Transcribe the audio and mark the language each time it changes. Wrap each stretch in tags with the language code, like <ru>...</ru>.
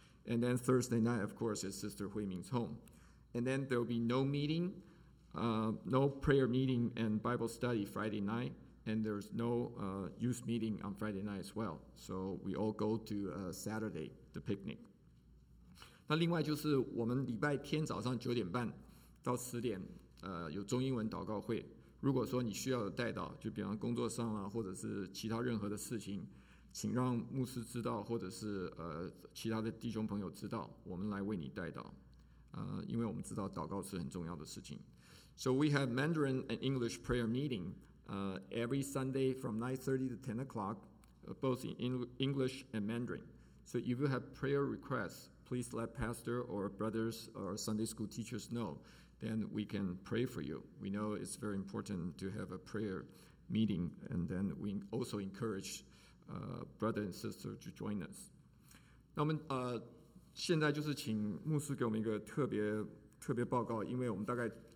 <en>And then Thursday night, of course, is Sister Hui Ming's home. And then there will be no prayer meeting and Bible study Friday night. And there's no youth meeting on Friday night as well. So we all go to Saturday, the picnic.</en> <zh>那另外就是我们礼拜天早上9点半到10点有中英文祷告会。如果说你需要带到，就比方工作上啊，或者是其他任何的事情，请让牧师知道，或者是其他的弟兄朋友知道，我们来为你带到。因为我们知道祷告是很重要的事情。</zh> <en>So we have Mandarin and English prayer meeting every Sunday from 9:30 to 10 o'clock, both in English and Mandarin. So if you have prayer requests, please let pastor or brothers or Sunday school teachers know. Then we can pray for you. We know it's very important to have a prayer meeting, and then we also encourage brother and sister to join us.</en> <zh>那我们现在就是请牧师给我们一个特别报告，因为我们大概。</zh>